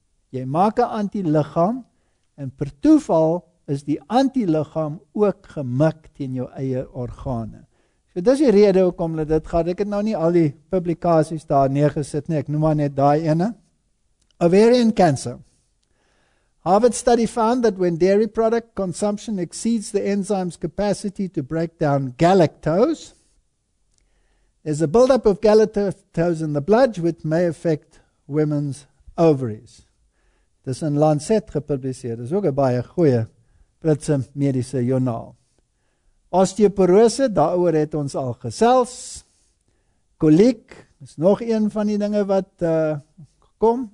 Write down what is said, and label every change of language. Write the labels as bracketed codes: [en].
[af] Jy maak 'n antiliggaam en per toeval is die antiliggaam ook gemik teen jou eie organe. So dis die rede hoekom hulle dit gehad. Ek het nou nie al die publikasies daar neergesit nie. Ek noem maar net daai ene. [en] Ovarian cancer. Harvard study found that when dairy product consumption exceeds the enzyme's capacity to break down galactose, there's a buildup of galactose in the blood which may affect women's ovaries. [af] Dis in Lancet gepubliseer. Dis ook 'n baie goeie Britse mediese joernaal. Osteoporose, daaroor het ons al gesels. Koliek, is nog een van die dinge wat kom.